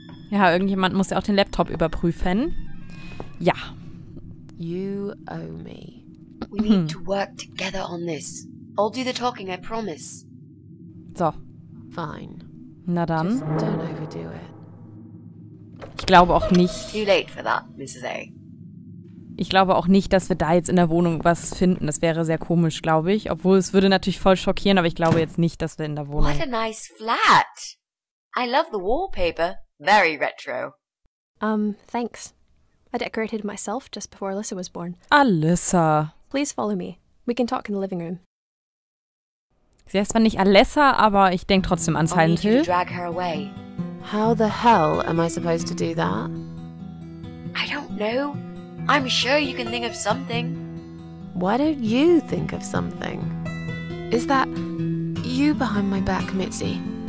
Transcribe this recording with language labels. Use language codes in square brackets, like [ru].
[de] Ja, irgendjemand muss ja auch den Laptop überprüfen. Ja. [en] You owe me. We need to work together on this. I'll do the talking, I promise. So. Fine. [de] Na dann. [en] Just don't overdo it. [de] Ich glaube auch nicht... [en] Too late for that, Mrs. A. [de] Ich glaube auch nicht, dass wir da jetzt in der Wohnung was finden. Das wäre sehr komisch, glaube ich. Obwohl, es würde natürlich voll schockieren, aber ich glaube jetzt nicht, dass wir in der Wohnung... [en] What a nice flat! I love the wallpaper. Very retro. Thanks. I decorated myself just before Alyssa was born. Alyssa! Please follow me. We can talk in the living room. [de] Sie heißt zwar nicht Alyssa, aber ich denke trotzdem an Silent Hill. [en] I need you to drag her away. How the hell am I supposed to do that? I don't know. I'm sure you can think of something. Why don't you think of something? Is that you behind my back, Mitzi?